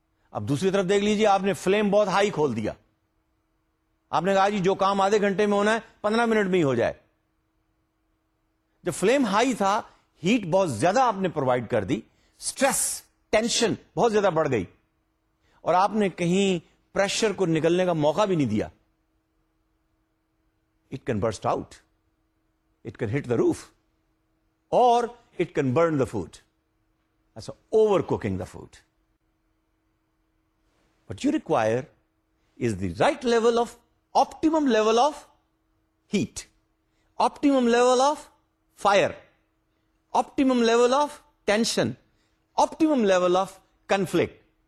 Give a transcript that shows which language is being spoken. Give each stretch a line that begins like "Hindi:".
Urdu: اب دوسری طرف دیکھ لیجیے, آپ نے فلیم بہت ہائی کھول دیا, آپ نے کہا جی جو کام آدھے گھنٹے میں ہونا ہے 15 منٹ میں ہی ہو جائے. جب فلیم ہائی تھا, ہیٹ بہت زیادہ آپ نے پرووائڈ کر دی, سٹریس ٹینشن بہت زیادہ بڑھ گئی, اور آپ نے کہیں پریشر کو نکلنے کا موقع بھی نہیں دیا.
English: it can burst out, it can hit the roof,
Urdu: اور
English: It can burn the food.
Urdu: ایسا
English: Over cooking the food. What you require is the right level of, optimum level of heat, optimum level of fire, optimum level of tension, optimum level of conflict.